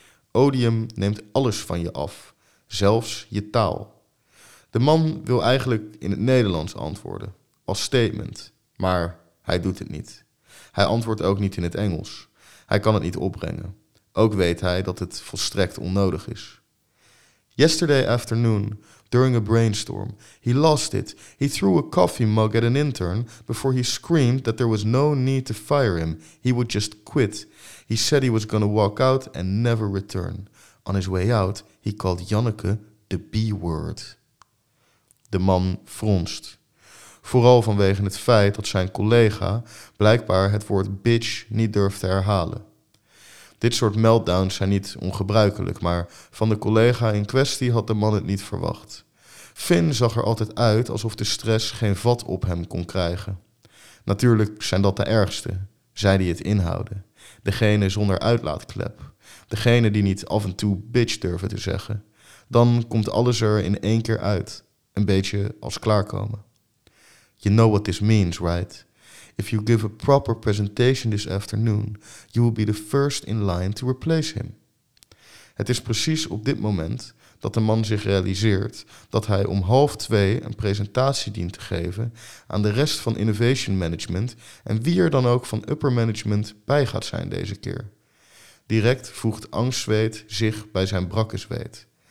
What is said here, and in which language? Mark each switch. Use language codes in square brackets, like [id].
[nl] Odium neemt alles van je af, zelfs je taal. De man wil eigenlijk in het Nederlands antwoorden, als statement, maar hij doet het niet. Hij antwoordt ook niet in het Engels. Hij kan het niet opbrengen. Ook weet hij dat het volstrekt onnodig is. [en] Yesterday afternoon, during a brainstorm, he lost it. He threw a coffee mug at an intern before he screamed that there was no need to fire him. He would just quit. He said he was gonna walk out and never return. On his way out, he called Janneke the B-word. [nl] De man fronst. Vooral vanwege het feit dat zijn collega blijkbaar het woord bitch niet durft te herhalen. Dit soort meltdowns zijn niet ongebruikelijk, maar van de collega in kwestie had de man het niet verwacht. Finn zag er altijd uit alsof de stress geen vat op hem kon krijgen. Natuurlijk zijn dat de ergste, zij die het inhouden. Degene zonder uitlaatklep. Degene die niet af en toe bitch durven te zeggen. Dan komt alles er in één keer uit, een beetje als klaarkomen. [en] You know what this means, right? If you give a proper presentation this afternoon, you will be the first in line to replace him. [nl] Het is precies op dit moment dat de man zich realiseert dat hij om 2:30 een presentatie dient te geven aan de rest van innovation management en wie er dan ook van [en] upper management [nl] bij gaat zijn deze keer. Direct voegt angstzweet zich bij zijn brakke zweet.